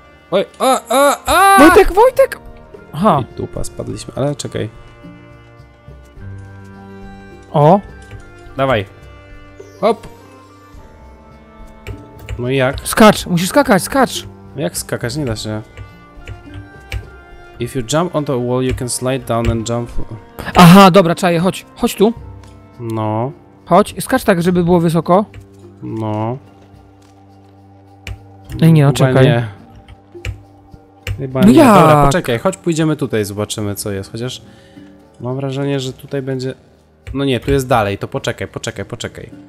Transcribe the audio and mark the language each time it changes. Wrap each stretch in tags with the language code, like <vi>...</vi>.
<pl>Oj, a! Wojtek! Aha. I dupa, spadliśmy, ale czekaj. O! Dawaj. Hop! No i jak? Skacz, musisz skakać, skacz! Jak skakać? Nie da się.</pl> <en>If you jump on the wall, you can slide down and jump.</en> <pl>Aha, dobra, czaję, chodź. Chodź tu. No. Chodź, skacz tak, żeby było wysoko. No. Ej, nie, no, czekaj. Nie. Chyba nie. Jak? Dobra, poczekaj, chodź, pójdziemy tutaj, zobaczymy, co jest. Chociaż mam wrażenie, że tutaj będzie... No nie, tu jest dalej, to poczekaj, poczekaj, poczekaj.</pl>